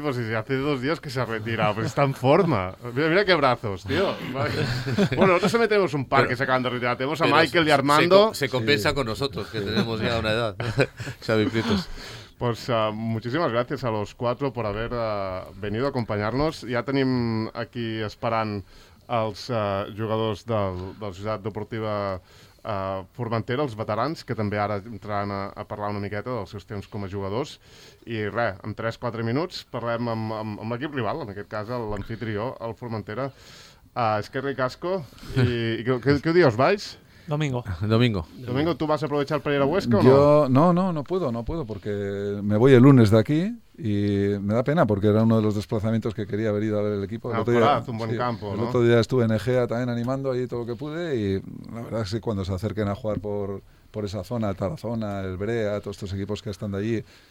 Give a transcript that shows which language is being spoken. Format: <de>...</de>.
<es>Pues si hace dos días que se ha retirado, pues está en forma. Mira que brazos, tío. Bueno, nosotros se metemos un par, pero, que se acaban de retirar. Tenemos a Michael y Armando. Se compensa con nosotros, que tenemos ya una edad. Xavi Prieto. Pues muchísimas gracias a los cuatro por haber venido a acompañarnos.</es> <ca>Ya tenim aquí esperant els jugadors de la Societat Deportiva Formentera, els veterans, que també ara entraran a parlar una miqueta dels seus temps com a jugadors. I res, en 3-4 minuts parlem amb l'equip rival, en aquest cas l'anfitrió, el Formentera, Esquerri Casco. I què dius, baix?</ca> <es>Domingo. Domingo, ¿tú vas a aprovechar para ir a Huesca o no? No puedo, porque me voy el lunes de aquí y me da pena porque era uno de los desplazamientos que quería haber ido a ver el equipo. El otro día estuve en Egea también animando ahí todo lo que pude y la verdad es que cuando se acerquen a jugar por esa zona, Tarazona, el Brea, todos estos equipos que están de allí.</es>